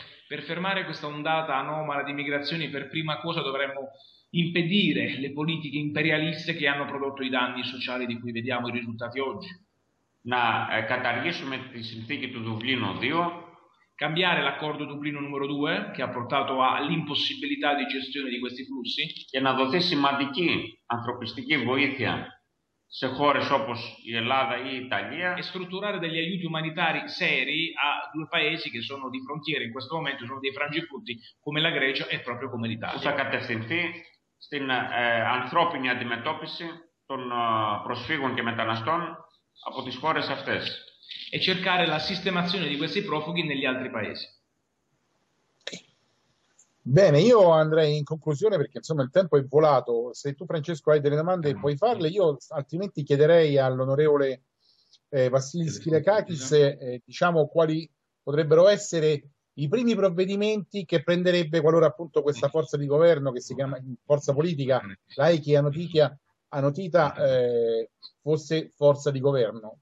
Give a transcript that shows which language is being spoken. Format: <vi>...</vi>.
<it>Per fermare questa ondata anomala di migrazioni, per prima cosa dovremmo impedire le politiche imperialiste che hanno prodotto i danni sociali di cui vediamo i risultati oggi.</it> <el>Να καταργήσουμε τη συνθήκη του Δουβλίνο 2.</el> <it>Cambiare l'accordo Dublino numero 2 che ha portato all'impossibilità di gestione di questi flussi.</it> <el>Και να δοθεί σημαντική ανθρωπιστική βοήθεια σε χώρες όπως η Ελλάδα ή η Ιταλία.</el> <it>E strutturare degli aiuti umanitari seri a due paesi che sono di frontiera in questo momento, sono dei frangipunti come la Grecia e proprio come l'Italia.</it> <el>Που θα κατευθυνθεί στην ανθρώπινη αντιμετώπιση των προσφύγων και μεταναστών από τις χώρες αυτές.</el> <it>E cercare la sistemazione di questi profughi negli altri paesi. Bene, io andrei in conclusione perché insomma il tempo è volato. Se tu, Francesco, hai delle domande puoi farle. Io altrimenti chiederei all'onorevole Vassilis Kyriakakis diciamo quali potrebbero essere i primi provvedimenti che prenderebbe qualora appunto questa forza di governo che si chiama forza politica Laiki Anotikia Anotita fosse forza di governo.</it>